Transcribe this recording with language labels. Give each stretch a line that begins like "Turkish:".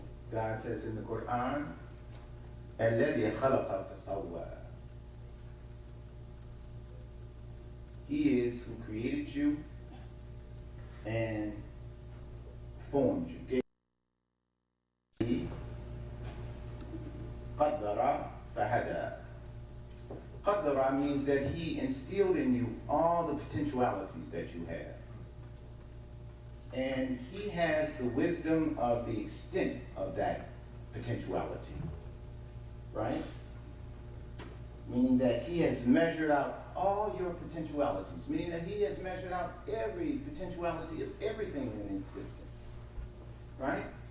English: God says in the Quran,
Arabic: الَّذِي خَلَقَ فَسَوَّى.
English: He is who created you and formed you.
Arabic: قَدَّرَ فَهَدَى. قَدَّرَ
English: means means that he instilled in you all the potentialities that you have. And he has the wisdom of the extent of that potentiality, right? Meaning that he has measured out all your potentialities, meaning that he has measured out every potentiality of everything in existence, right?